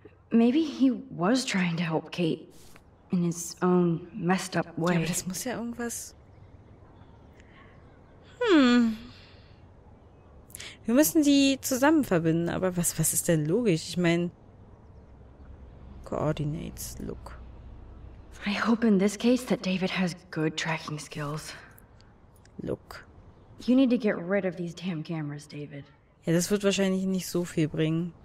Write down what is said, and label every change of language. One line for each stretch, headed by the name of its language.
English: Maybe he was trying to help Kate in his own messed up way.
German: Ja, aber das muss ja irgendwas. Wir müssen die zusammen verbinden, aber was ist denn logisch? Ich meine,
English: coordinates, look. I hope in this case that David has good tracking skills. Look. You need to get rid of these damn cameras, David.
German: Ja, das wird wahrscheinlich nicht so viel bringen.